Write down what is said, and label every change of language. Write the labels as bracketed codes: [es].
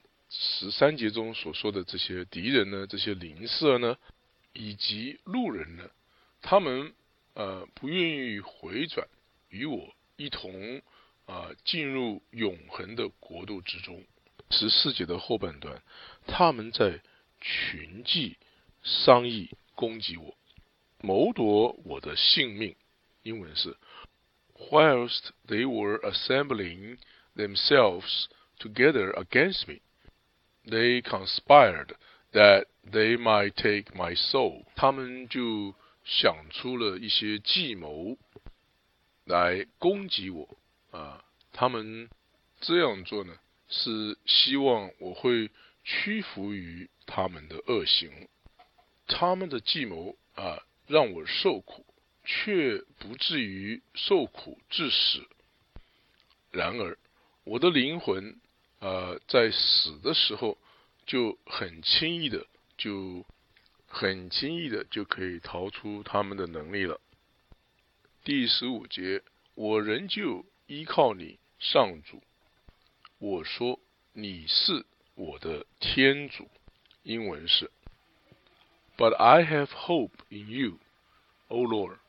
[zh] 十三节中所说的这些敌人呢，这些邻舍呢，以及路人呢，他们不愿意回转与我一同进入永恒的国度之中。十四节的后半段，他们在群计商议攻击我，谋夺我的性命。英文是 [en] Whilst they were assembling themselves together against me, they conspired that they might take my soul. [zh] 他们就想出了一些计谋来攻击我他们这样做呢，是希望我会屈服于他们的恶行。他们的计谋让我受苦，却不至于受苦致死。然而我的灵魂在死的时候就很轻易的就可以逃出他们的能力了。第十五节，我仍旧依靠你，上主。我说，你是我的天主。英文是 [en] But I have hope in you, O Lord.